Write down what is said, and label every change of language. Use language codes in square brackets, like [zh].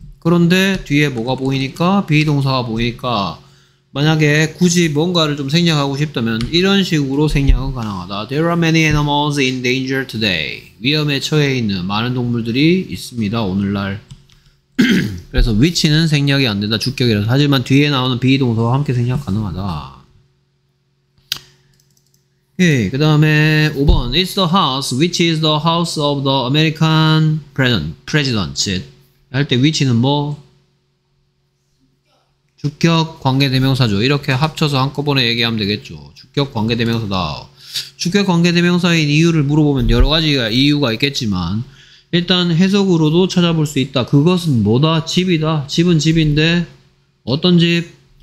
[ko] 그런데 뒤에 뭐가 보이니까 비동사가 보이니까 만약에 굳이 뭔가를 좀 생략하고 싶다면 이런 식으로 생략은 가능하다. [en] There are many animals in danger today. [ko] 위험에 처해 있는 많은 동물들이 있습니다. 오늘날. 그래서 위치는 생략이 안 된다. 주격이라서. 하지만 뒤에 나오는 be 동사와 함께 생략 가능하다. 예, 그 다음에 5번. [en] It's the house which is the house of the American president. [ko] 할 때 위치는 뭐? 주격 관계대명사죠. 이렇게 합쳐서 한꺼번에 얘기하면 되겠죠. 주격 관계대명사다. 주격 관계대명사인 이유를 물어보면 여러가지 이유가 있겠지만 일단 해석으로도 찾아볼 수 있다. 그것은 뭐다? 집이다. 집은 집인데 어떤 집?